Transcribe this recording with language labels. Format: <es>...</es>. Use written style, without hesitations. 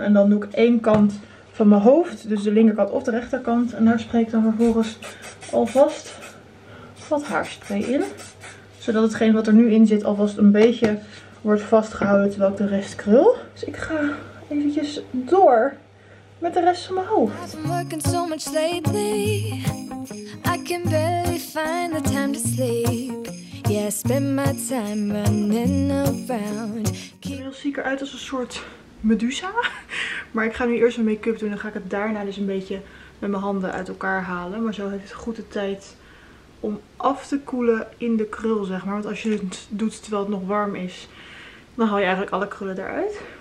<nl>En dan doe ik 1 kant van mijn hoofd, dus de linkerkant of de rechterkant. En daar spreek ik dan vervolgens alvast wat haarspray in. Zodat hetgeen wat er nu in zit alvast een beetje wordt vastgehouden terwijl ik de rest krul. Dus ik ga eventjes door met de rest van mijn hoofd.</nl> <en>I've been working so much lately. I can barely find the time to sleep. Yeah, spend my time running around. Keep...</en> <nl>Ik zie eruit als een soort Medusa. Maar ik ga nu eerst mijn make-up doen. Dan ga ik het daarna dus een beetje met mijn handen uit elkaar halen. Maar zo heeft het goed de tijd om af te koelen in de krul, zeg maar. Want als je het doet terwijl het nog warm is, dan haal je eigenlijk alle krullen eruit.</nl>